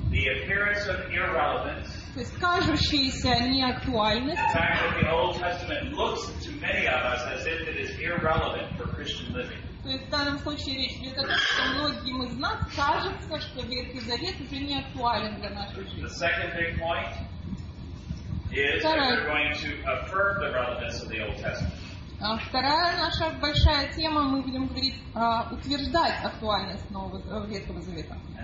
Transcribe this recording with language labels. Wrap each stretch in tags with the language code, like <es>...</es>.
<en>The appearance of irrelevance.</en> <ru>То есть кажущаяся неактуальность.</ru> <en>To many of us as if it is irrelevant for Christian living.</en> <ru>То есть в данном случае речь идет о том, что многим из нас кажется, что Ветхий Завет уже не актуален для нашей жизни.</ru> <en>The second big point is that we're going to affirm the relevance of the Old Testament.</en> <ru>Вторая наша большая тема, мы будем говорить, утверждать актуальность Нового Ветхого Завета.</ru>